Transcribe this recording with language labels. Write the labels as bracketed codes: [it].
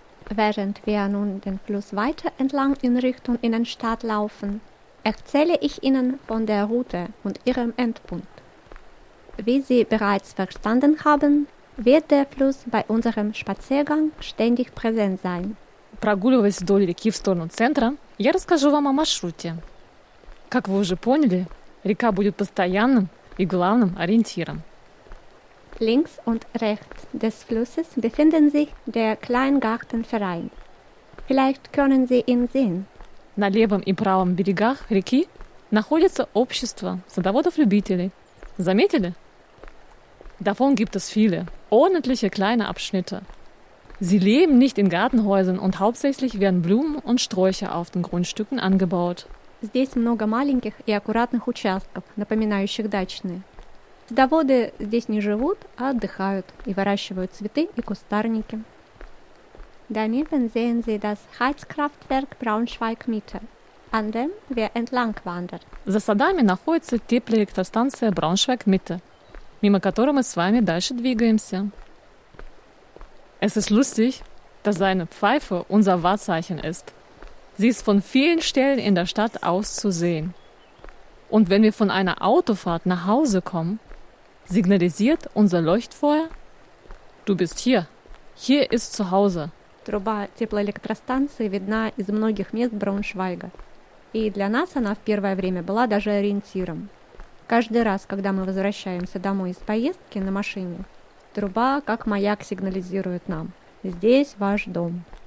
[de] Während wir nun den Fluss weiter entlang in Richtung Innenstadt laufen, erzähle ich Ihnen von der Route und ihrem Endpunkt. Wie Sie bereits verstanden haben, wird der Fluss bei unserem Spaziergang ständig präsent sein. [ru] Прогуливаясь вдоль реки в сторону центра, я расскажу вам о маршруте. Как вы уже поняли, река будет постоянным и главным ориентиром. [de] Links und rechts des Flusses befinden sich der Kleingartenverein. Vielleicht können Sie ihn sehen. [ru] На левом и правом берегах реки находится общество садоводов-любителей. Заметили? [de] Davon gibt es viele, ordentliche kleine Abschnitte. Sie leben nicht in Gartenhäusern und hauptsächlich werden Blumen und Sträucher auf den Grundstücken angebaut. [ru] Здесь много маленьких и аккуратных участков, напоминающих дачные. Садоводы здесь не живут, а отдыхают и выращивают цветы и кустарники. [de] Daneben sehen Sie das Heizkraftwerk Braunschweig Mitte, an dem wir entlang wandern. [ru] За садами находится теплоэлектростанция Braunschweig Mitte, мимо которой мы с вами дальше двигаемся. [de] Es ist lustig, dass seine Pfeife unser Wahrzeichen ist. Sie ist von vielen Stellen in der Stadt aus zu sehen. Und wenn wir von einer Autofahrt nach Hause kommen, signalisiert unser Leuchtfeuer, du bist hier, hier ist zu Hause. [ru] Труба теплоэлектростанции видна из многих мест Брауншвайга. И для нас она в первое время была даже ориентиром. Каждый раз, когда мы возвращаемся домой из поездки на машине, труба как маяк сигнализирует нам. Здесь ваш дом.